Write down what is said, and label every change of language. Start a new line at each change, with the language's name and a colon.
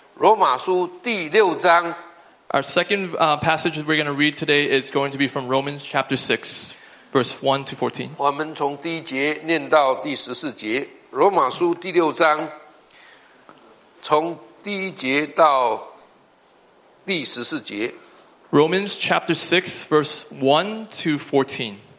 Chinese: 我们再来读第二段的圣经是罗马书，请我们往后面翻新约圣经，罗马书第六章。
English: Our second passage we're going to read today is going to be from Romans chapter 6, verse 1 to 14.
Chinese: 我们从第一节念到第十四节，罗马书第六章，从第一节到第十四节。
English: Romans chapter 6, verse 1 to 14.